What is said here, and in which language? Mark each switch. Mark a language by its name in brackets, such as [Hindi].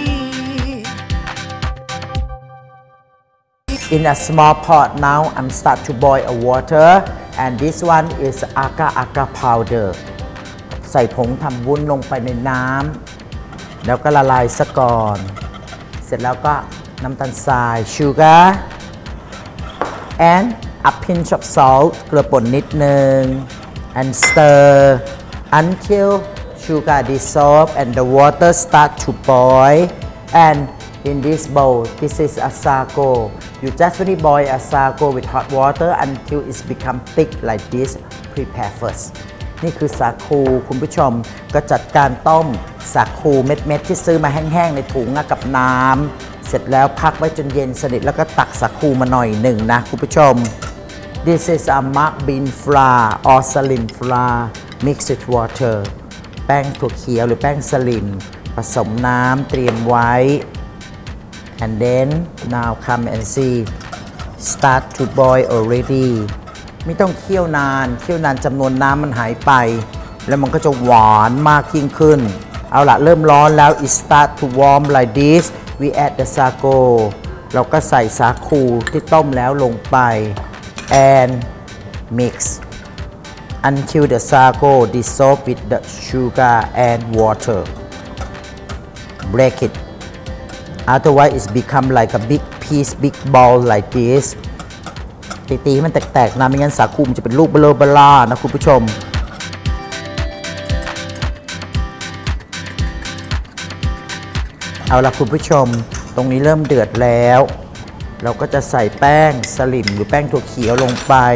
[English] In a small pot now I'm start to boil a water and this one is agar agar powder [Thai] ใส่ผงทำวุ้นลงไปในน้ำแล้วก็ละลายซะก่อนเสร็จแล้วก็น้ำตาลทรายชูการ์ [English] andA pinch of salt, [Thai] เกลือป่นนิดนึง [English] and stir until sugar dissolve and the water start to boil. And in this bowl, this is a sago. You just need boil a sago with hot water until it's become thick like this. Prepare first. [Thai] นี่คือสาคูคุณผู้ชมก็จัดการต้มสาคูเม็ดๆที่ซื้อมาแห้งๆในถุงกับน้ำเสร็จแล้วพักไว้จนเย็นสนิทแล้วก็ตักสาคูมาหน่อยหนึ่งนะคุณผู้ชม [English] This is a mung bean flour or salim flour mixed with water [Thai] แป้งถั่วเขียวหรือแป้งสลิมผสมน้ำเตรียมไว้ [English] and then now come and see start to boil already [Thai] ไม่ต้องเคี่ยวนานเคี่ยวนานจำนวนน้ำมันหายไปแล้วมันก็จะหวานมากยิ่งขึ้นเอาล่ะเริ่มร้อนแล้ว [English] it start to warm like thisWe add the sago. [Thai] เราก็ใส่สาคูที่ต้มแล้วลงไป [English] and mix until the sago dissolve with the sugar and water. Break it. Otherwise, it's become like a big piece, big ball like this. [Thai] ตีๆให้มันแตกๆนะไม่งั้นสาคูมันจะเป็นลูกเบลอเบลานะคุณผู้ชม เอาล่ะคุณผู้ชมตรงนี้เริ่มเดือดแล้วเราก็จะใส่แป้งสลิ่มหรือแป้งถั่วเขียวลงไป